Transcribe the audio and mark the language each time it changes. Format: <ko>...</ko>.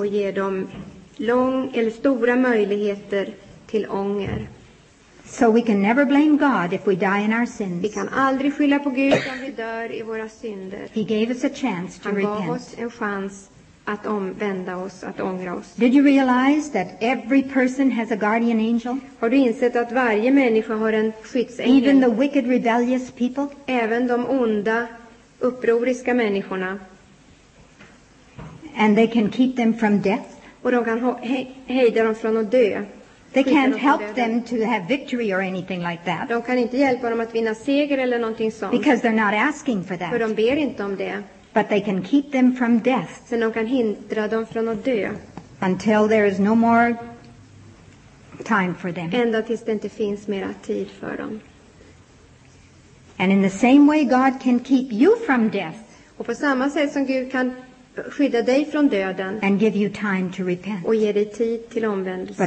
<sv>Och ger dem lång eller stora möjligheter till ånger.</sv> <en>So we can never blame God if we die in our sins.</en> <sv>Vi kan aldrig skylla på Gud om vi dör i våra synder.</sv> <en>He gave us a chance to repent.</en> <sv>Han gav oss en chans att omvända oss, att ångra oss.</sv> <en>Did you realize that every person has a guardian angel?</en> <sv>Har du insett att varje människa har en skyddsängel?</sv> <en>Even the wicked, rebellious people?</en> <sv>Även de onda, upproriska människorna.</sv> <en>And they can keep them from death?</en> <sv>Och de kan hejda dem från att dö.</sv> <en>They can't help them to have victory or anything like that.</en> <sv>De kan inte hjälpa dem att vinna seger eller någonting sånt.</sv> <en>Because they're not asking for that.</en> <sv>För de ber inte om det.</sv> <en>But they can keep them from death.</en> <sv>Så de kan hindra dem från att dö.</sv> <en>Until there is no more time for them.</en> <sv>Ända tills det inte finns mera tid för dem.</sv> <en>And in the same way God can keep you from death.</en> <sv>Och på samma sätt som Gud kan skydda dig från döden.</sv> <en>And give you time to repent.</en> <sv>Och ge dig tid till omvändelse.</sv>